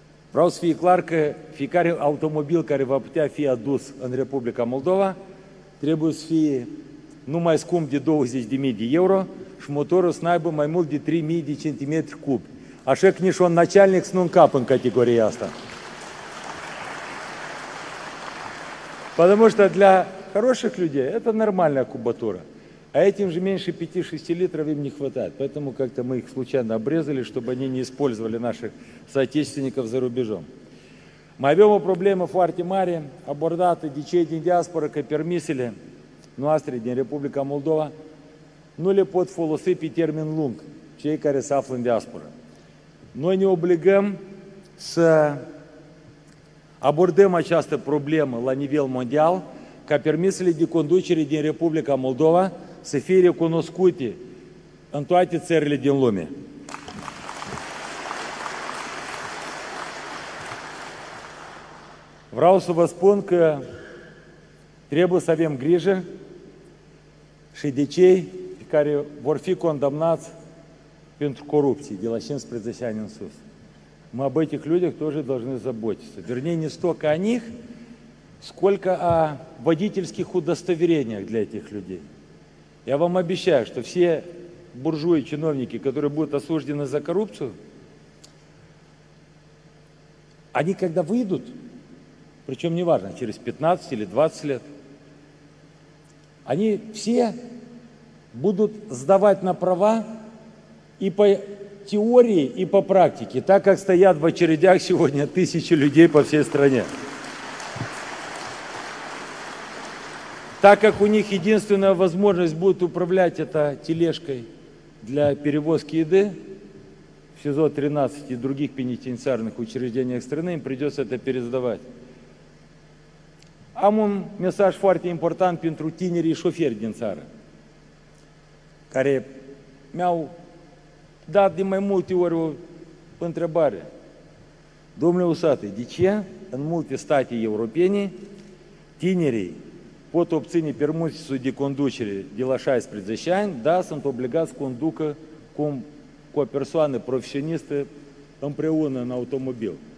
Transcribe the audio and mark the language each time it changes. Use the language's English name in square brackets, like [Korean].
[Romanian] Vreau să fie clar că fiecare automobil care va putea fi adus în Republica Moldova trebuie să fie nu mai scump de 20.000 de euro și motorul să n-aibă mai mult de 3.000 de centimetri cubi. Așa că nici un naționalnic să nu încap în categoria asta. Pentru că [Russian] для хороших людей это нормальная кубатура. А этим же меньше 5-6 литров им не хватает. Поэтому как-то мы их случайно обрезали, чтобы они не использовали наших соотечественников за рубежом. [Romanian] Mai avem o problemă foarte mare, abordată de cei din diaspora, că permisele noastre din Republica Moldova nu le pot folosi pe termen lung cei care se află în diasporă. Noi ne obligăm să abordăm această problemă la nivel mondial ca permisele de conducere din Republica Moldova să fie recunoscute în toate țările din lume. [Russian] В [Romanian] Vreau să vă spun că trebuie să avem grijă și de cei care vor fi condamnați pentru corupție de la 15 ani în sus. [Russian] Мы об этих людях тоже должны заботиться. Вернее, не столько о них, сколько о водительских удостоверениях для этих людей. Я вам обещаю, что все буржуи, чиновники, которые будут осуждены за коррупцию, они когда выйдут, причем неважно, через 15 или 20 лет, они все будут сдавать на права и по теории и по практике, так как стоят в очередях сегодня тысячи людей по всей стране. Так как у них единственная возможность будет управлять это тележкой для перевозки еды в СИЗО 13 и других пенитенциарных учреждениях страны, им придется это пересдавать. [Romanian] Am un mesaj foarte important pentru tinerii șoferi din țară, care mi-au dat de mai multe ori o întrebare. Domnule Usatăi, de ce în multe state europene tinerii pot obține permisul de conducere de la 16 ani, dar sunt obligați să conducă cu o persoană profesionistă împreună în automobil?